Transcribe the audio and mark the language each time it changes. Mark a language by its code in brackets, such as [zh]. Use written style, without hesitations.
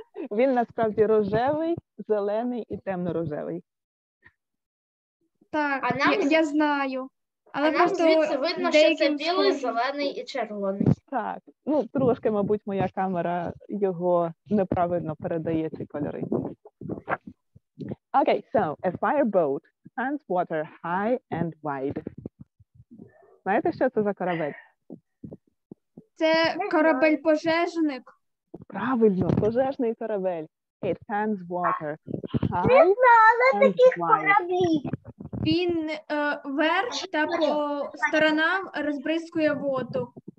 [uk] Він насправді рожевий, зелений і темно-рожевий. Так, а нам... я знаю. Але а нам звідси видно, що це білий, зелений і червоний. Так, ну трошки, мабуть, моя камера його неправильно передає ці кольори. [en] Okay, so a fireboat spans water high and wide. [uk] Знаєте, що це за корабель? Це корабель-пожежник. Правильно, пожежний корабель. [en] It spans water high. [uk] Не знала таких кораблів. Він верх та по сторонам розбризкує воду.